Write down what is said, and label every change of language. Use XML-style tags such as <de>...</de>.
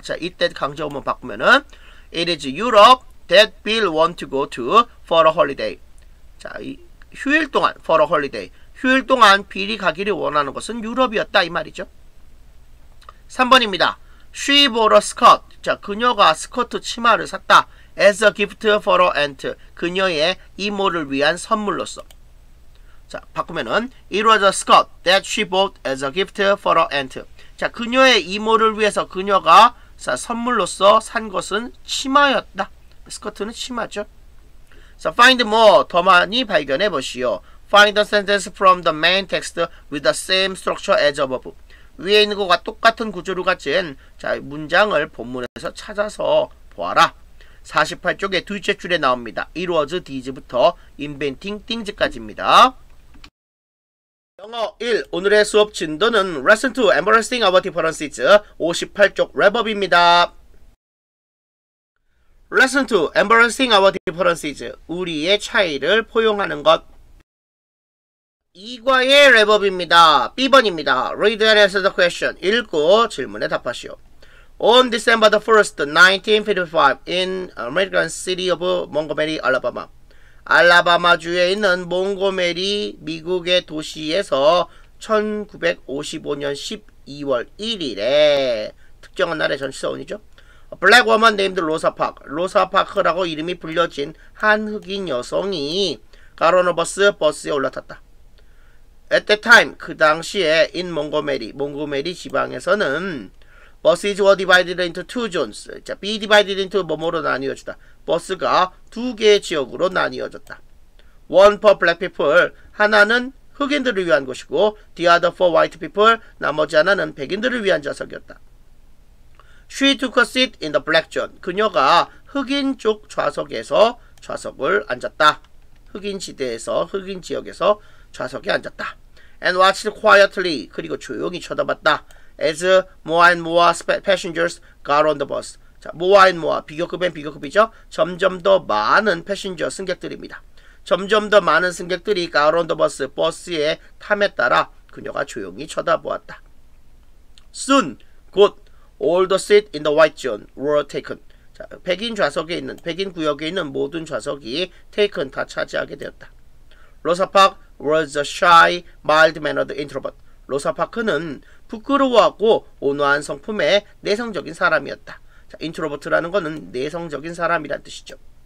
<en>자, it that</en> <ko>강조문 바꾸면은</ko> <en>It is Europe that Bill want to go to for a holiday.</en> <ko>자, 이 휴일 동안 for a holiday. 휴일 동안 빌이 가기를 원하는 것은 유럽이었다 이 말이죠.</ko> <en>3번입니다. She bought a skirt.</en> <ko>자, 그녀가 스커트 치마를 샀다.</ko> <en>As a gift for her aunt.</en> <ko>그녀의 이모를 위한 선물로서.</ko> <en>자, 바꾸면은 It was a skirt that she bought as a gift for her aunt.</en> <ko>자, 그녀의 이모를 위해서 그녀가 자, 선물로서 산 것은 치마였다. 스커트는 치마죠. 자,</ko> <en>find more.</en> <ko>더 많이 발견해 보시오.</ko> <en>Find the sentence from the main text with the same structure as above.</en> <ko>위에 있는 것과 똑같은 구조를 가진 자, 문장을 본문에서 찾아서 보아라. 48쪽에 둘째 줄에 나옵니다.</ko> <en>It was these부터 inventing things까지입니다. 영어 1.</en> <ko>오늘의 수업 진도는</ko> <en>Lesson 2. Embracing our differences.</en> <ko>58쪽 랩업입니다.</ko> <en>Lesson 2. Embracing our differences.</en> <ko>우리의 차이를 포용하는 것. 2과의 랩업입니다. B번입니다.</ko> <en>Read and answer the question.</en> <ko>읽고 질문에 답하시오.</ko> <en>On December the 1st, 1955, in American city of Montgomery, Alabama.</en> <ko>알라바마주에 있는 몽고메리 미국의 도시에서 1955년 12월 1일에 특정한 날의 전시사원이죠.</ko> <en>A black woman named Rosa Parks.</en> <ko>Rosa Parks라고 이름이 불려진 한 흑인 여성이 가로노 버스에 올라탔다.</ko> <en>At that time,</en> <ko>그 당시에</ko> <en>in Montgomery,</en> <ko>몽고메리 지방에서는</ko> <en>Buses were divided into two zones.</en> <ko>자, be divided into 뭐뭐로 나뉘어졌다. 버스가 두 개의 지역으로 나뉘어졌다.</ko> <en>One for black people.</en> <ko>하나는 흑인들을 위한 곳이고,</ko> <en>the other for white people.</en> <ko>나머지 하나는 백인들을 위한 좌석이었다.</ko> <en>She took a seat in the black zone.</en> <ko>그녀가 흑인 쪽 좌석에서 좌석을 앉았다. 흑인 지대에서, 흑인 지역에서 좌석에 앉았다.</ko> <en>And watched quietly.</en> <ko>그리고 조용히 쳐다봤다.</ko> <en>As more and more passengers got on the bus.</en> <ko>자,</ko> <en>more and more.</en> <ko>비교급엔 비교급이죠. 점점 더 많은</ko> <en>passengers,</en> <ko>승객들입니다. 점점 더 많은 승객들이</ko> <en>got on the bus,</en> <ko>버스에 탐에 따라 그녀가 조용히 쳐다보았다.</ko> <en>Soon,</en> <ko>곧,</ko> <en>all the seats in the white zone were taken.</en> <ko>자, 백인 좌석에 있는, 백인 구역에 있는 모든 좌석이 taken, 다 차지하게 되었다.</ko> <en>Rosa Parks was a shy, mild-mannered introvert.</en> <ko>로사 파크는 부끄러워하고 온화한 성품의 내성적인 사람이었다. 자, 인트로버트라는 것은 내성적인 사람이란 뜻이죠.</ko>